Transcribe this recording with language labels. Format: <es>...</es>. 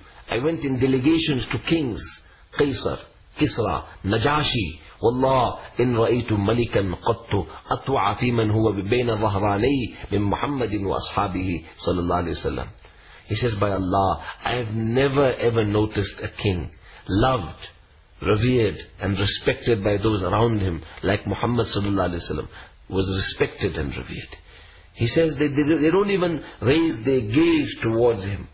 <en>I went in delegations to kings, Qaisar, Kisra, Najashi.</en> <ar>والله إن رأيت ملكا قط أطوع في من هو بين ظهراني من محمد وأصحابه صلى الله عليه وسلم.</ar> <en>He says, by Allah, I have never ever noticed a king loved, revered and respected by those around him like Muhammad صلى الله عليه وسلم was respected and revered. He says they don't even raise their gaze towards him.</en>